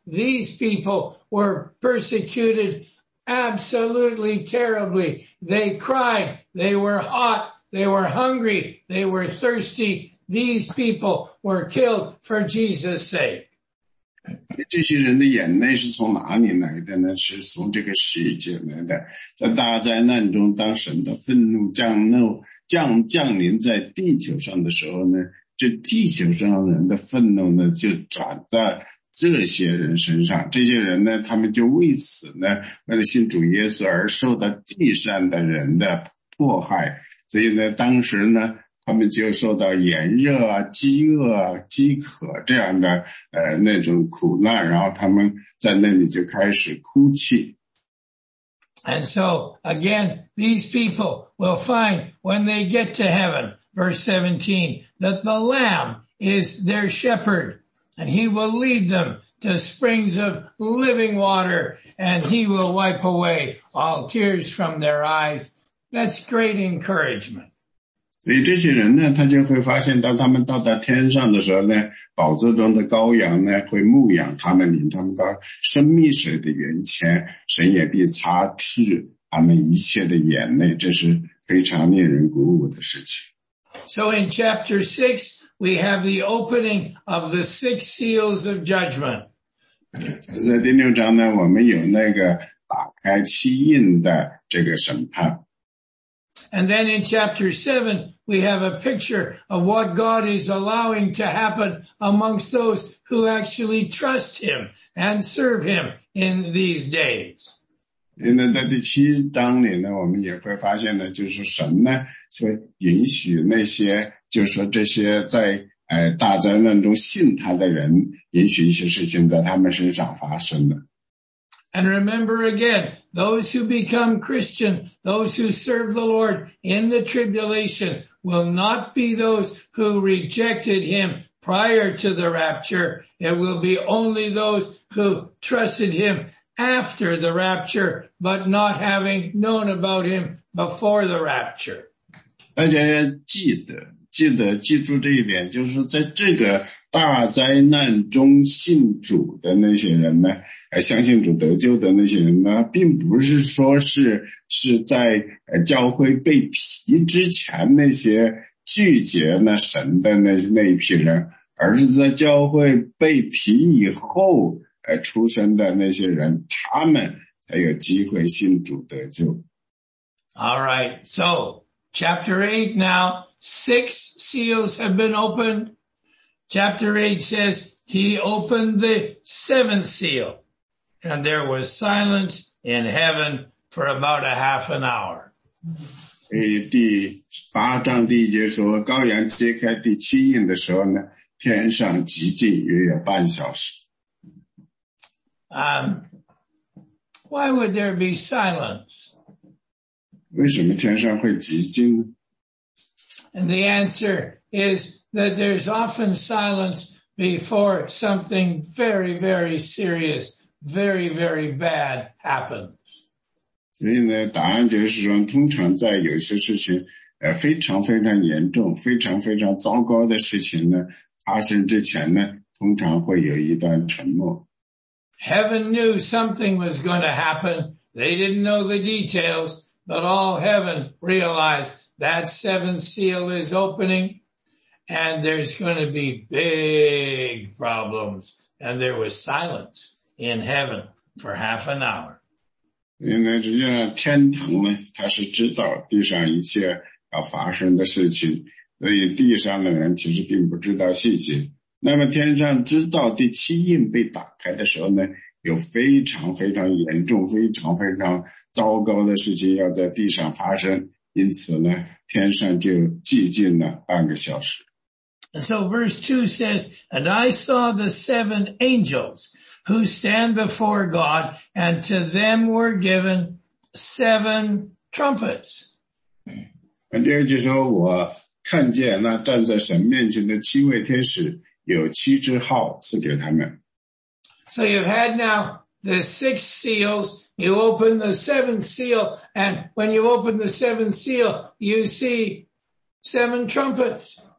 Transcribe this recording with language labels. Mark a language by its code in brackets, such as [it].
[en] These people were persecuted absolutely terribly. They cried. They were hot. They were hungry. They were thirsty. These people were killed for Jesus' sake. [zh] 这些人的眼泪是从哪里来的呢？是从这个世界来的。在大灾难中，当神的愤怒降临在地球上的时候呢，这地球上人的愤怒呢就转在这些人身上。这些人呢，他们就为此呢，为了信主耶稣而受到地上的人的迫害。所以呢，当时呢他们就受到炎热啊、饥饿啊、饥渴这样的那种苦难，然后他们在那里就开始哭泣。 [en] And so, again, these people will find when they get to heaven, verse 17, that the Lamb is their shepherd, and he will lead them to springs of living water, and he will wipe away all tears from their eyes. That's great encouragement. [zh] 所以这些人呢，他就会发现，当他们到达天上的时候呢，宝座中的羔羊呢会牧养他们，领他们到生命水的源前，神也必擦去他们一切的眼泪。这是非常令人鼓舞的事情。 [en] So in chapter 6, we have the opening of the six seals of judgment. [zh] 在第六章呢，我们有那个打开七印的这个审判。 [en] And then in chapter 7, we have a picture of what God is allowing to happen amongst those who actually trust him and serve him in these days. [zh] 因为在第七章里呢，我们也会发现呢，就是神呢，所以允许那些，就是说这些在大灾难中信他的人，允许一些事情在他们身上发生的。 [en] And remember again, those who become Christian, those who serve the Lord in the tribulation will not be those who rejected him prior to the rapture. It will be only those who trusted him after the rapture, but not having known about him before the rapture. [zh] 大家要记得记住这一点，就是在这个大灾难中信主的那些人呢，相信主得救的那些人呢，并不是说是在教会被提之前那些拒绝那神的那一批人，而是在教会被提以后出生的那些人，他们才有机会信主得救。 [en] All right, so chapter 8 now, 6 seals have been opened. Chapter 8 says he opened the 7th seal, and there was silence in heaven for about a half an hour. [zh] 第八章第一节说，羔羊揭开第七印的时候呢，天上寂静约有半小时。 [en] Why would there be silence? [zh] 为什么天上会寂静呢？ [en] And the answer is that there's often silence before something very, very serious, very, very bad happens. [zh] 所以呢，答案就是说，通常在有些事情非常非常严重，非常非常糟糕的事情呢，发生之前呢，通常会有一段沉默。 [en] Heaven knew something was going to happen. They didn't know the details, but all heaven realized that 7th seal is opening and there's going to be big problems. And there was silence in heaven for half an hour. [zh] 因为实际上天堂呢，他是知道地上一切要发生的事情，所以地上的人其实并不知道细节。那么天上知道第七印被打开的时候呢，有非常非常严重、非常非常糟糕的事情要在地上发生，因此呢，天上就寂静了半个小时。 [en] So verse 2 says, And I saw the 7 angels who stand before God, and to them were given 7 trumpets. [zh] 第二节说，我看见那站在神面前的七位天使，有七支号赐给他们。 [en] So you've had now the 6 seals, you open the 7th seal, and when you open the 7th seal, you see 7 trumpets.